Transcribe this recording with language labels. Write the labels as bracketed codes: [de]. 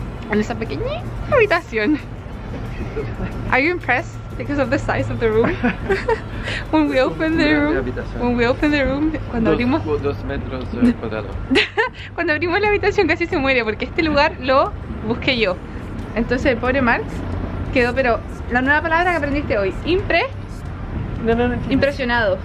[es] En esa pequeña habitación. [en] Are you impressed because of the size of the room? When we open the room, [es] cuando abrimos 2 metros cuadrados. Cuando abrimos la habitación casi se muere porque este lugar lo busqué yo. Entonces el pobre Marx quedó, pero la nueva palabra que aprendiste hoy, impresionado.